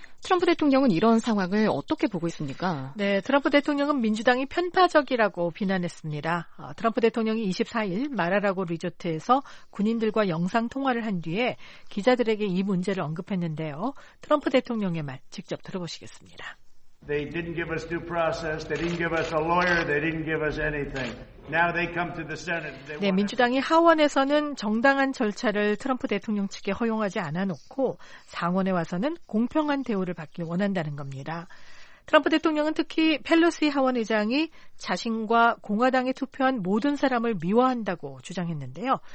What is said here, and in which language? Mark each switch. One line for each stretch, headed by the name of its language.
Korean: 트럼프 대통령은 이런 상황을 어떻게 보고 있습니까? 네, 트럼프 대통령은 민주당이 편파적이라고 비난했습니다. 트럼프 대통령이 24일 마라라고 리조트에서 군인들과 영상통화를 한 뒤에 기자들에게 이 문제를 언급했는데요. 트럼프 대통령의 말 직접 들어보시겠습니다.
English: They didn't give us due process. They didn't give us a lawyer. They didn't give us anything. Now they come to the Senate.
Korean: 네, 민주당이 하원에서는 정당한 절차를 트럼프 대통령 측에 허용하지 않아 놓고 상원에 와서는 공평한 대우를 받길 원한다는 겁니다. 트럼프 대통령은 특히 펠로시 하원의장이 자신과 공화당에 투표한 모든 사람을 미워한다고 주장했는데요.